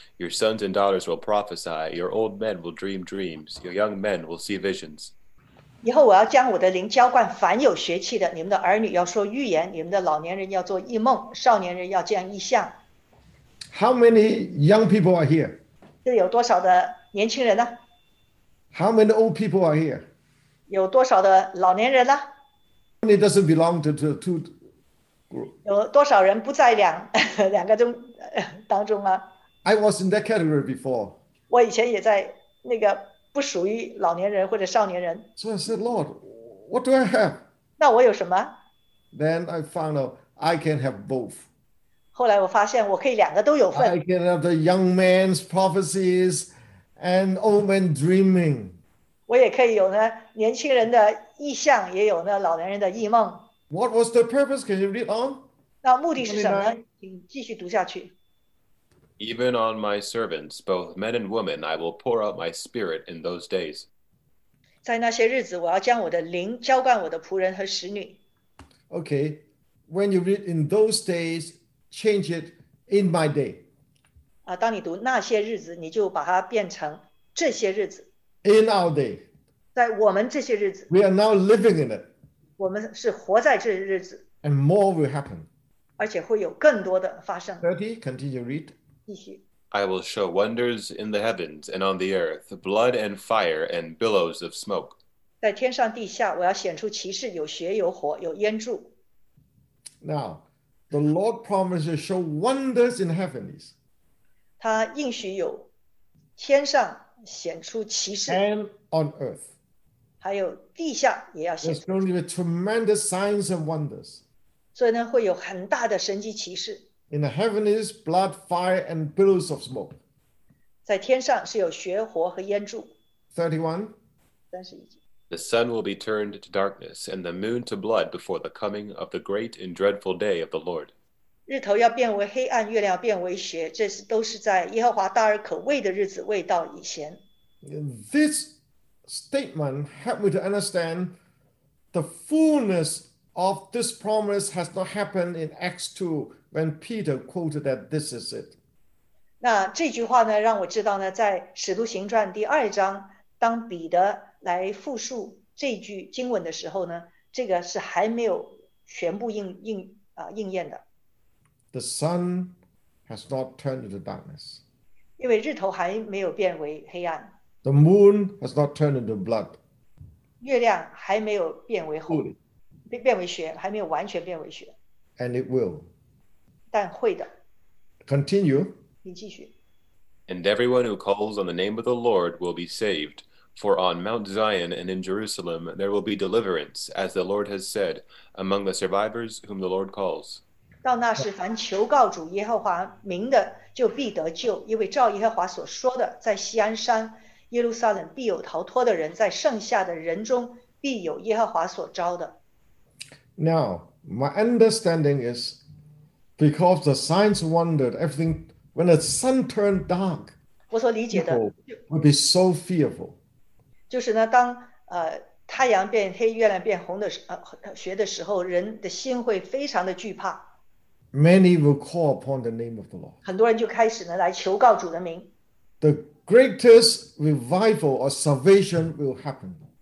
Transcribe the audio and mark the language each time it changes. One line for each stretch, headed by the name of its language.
English: Your sons and daughters will prophesy. Your old men will dream dreams. Your young men will see visions.
Chinese: 以后我要将我的灵浇灌凡有血气的，你们的儿女要说预言，你们的老年人要做异梦，少年人要见异象。
English: How many young people are here?
Chinese: 这里有多少的年轻人呢？
English: How many old people are here?
Chinese: 有多少的老年人呢？
English: How many doesn't belong to the two groups?
Chinese: 有多少人不在两个中当中啊？
English: I was in that category before.
Chinese: 我以前也在那个不属于老年人或者少年人。
English: So I said, Lord, what do I have?
Chinese: 那我有什么？
English: Then I found out I can have both.
Chinese: 后来我发现我可以两个都有份。
English: I can have the young man's prophecies and old man dreaming.
Chinese: 我也可以有呢年轻人的异象，也有呢老年人的异梦。
English: What was the purpose? Can you read on?
Chinese: 那目的是什么呢？请继续读下去。
English: Even on my servants, both men and women, I will pour out my spirit in those days.
Chinese: 在那些日子，我要将我的灵浇灌我的仆人和使女。
English: Okay, when you read in those days, change it in my day.
Chinese: 当你读那些日子，你就把它变成这些日子。
English: In our day.
Chinese: 在我们这些日子。
English: We are now living in it.
Chinese: 我们是活在这日子。
English: And more will happen.
Chinese: 而且会有更多的发生。
English: 30, continue read. I will show wonders in the heavens and on the earth, blood and fire and billows of smoke.
Chinese: 在天上地下，我要显出奇事，有血，有火，有烟柱。
English: Now, the Lord promises to show wonders in heavens.
Chinese: 他应许有天上显出奇事。
English: And on earth.
Chinese: 还有地下也要显出。
English: There's going to be tremendous signs and wonders.
Chinese: 所以呢，会有很大的神迹奇事。
English: In the heavens, blood, fire, and billows of smoke.
Chinese: 在天上是有血火和烟柱。 31. 31.
English: The sun will be turned to darkness, and the moon to blood before the coming of the great and dreadful day of the Lord.
Chinese: 日头要变为黑暗，月亮要变为血，这都是在耶和华大而可畏的日子未到以前。
English: This statement helped me to understand the fullness of this promise has not happened in Acts 2. When Peter quoted that, this is it.
Chinese: 那这句话呢，让我知道呢，在《使徒行传》第二章，当彼得来复述这句经文的时候呢，这个是还没有全部应验的。
English: The sun has not turned into darkness.
Chinese: 因为日头还没有变为黑暗。
English: The moon has not turned into blood.
Chinese: 月亮还没有变为红，变为血，还没有完全变为血。
English: And it will.
Chinese: 但会的。
English: Continue.
Chinese: 你继续。
English: And everyone who calls on the name of the Lord will be saved. For on Mount Zion and in Jerusalem there will be deliverance, as the Lord has said, among the survivors whom the Lord calls.
Chinese: 到那时，凡求告主耶和华名的，就必得救，因为照耶和华所说的，在锡安山、耶路撒冷必有逃脱的人，在剩下的人中必有耶和华所招的。
English: Now, my understanding is. Because the signs wondered, everything, when the sun turned dark, people would be so fearful.
Chinese: 就是呢，当太阳变黑，月亮变红的血的时候，人的心会非常的惧怕。
English: Many will call upon the name of the Lord.
Chinese: 很多人就开始呢，来求告主的名。
English: The greatest revival or salvation will happen.